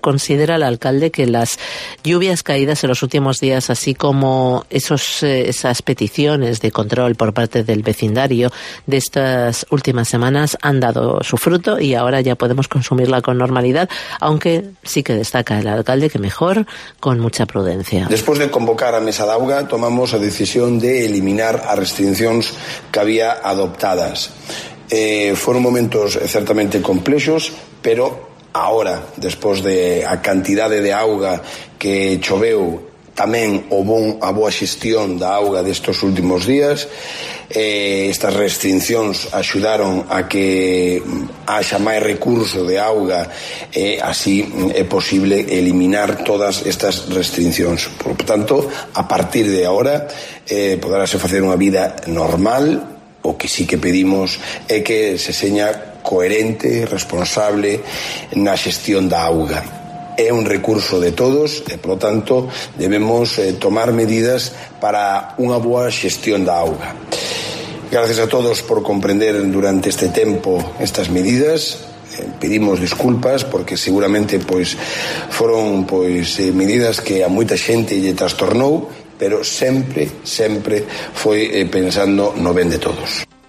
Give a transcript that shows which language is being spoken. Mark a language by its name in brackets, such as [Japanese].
[Spanish] Considera el alcalde que las lluvias caídas en los últimos días, así como esas peticiones de control por parte del vecindario de estas últimas semanas, han dado su fruto y ahora ya podemos consumirla con normalidad, aunque sí que destaca el alcalde que mejor con mucha prudencia. Después de convocar a mesa de agua, tomamos la decisión de eliminar las restricciones que había adoptadas. [Galician] Foron momentos certamente complexos, pero ahora, despois de a cantidade de auga que choveu, tamén a boa xestión da auga destos últimos días, estas restriccións axudaron a que haxa máis recurso de auga, así é posible eliminar todas estas restriccións. Por tanto, a partir de ahora, poderase facer unha vida normal. O que sí que pedimos é que se seña coherente, responsable na xestión da auga. É un recurso de todos e, por lo tanto, debemos tomar medidas para unha boa xestión da auga. Gracias a todos por comprender durante este tempo estas medidas. pedimos disculpas porque seguramente pues fueron pues medidas que a moita xente lle trastornou, pero sempre foi pensando no ben de todos.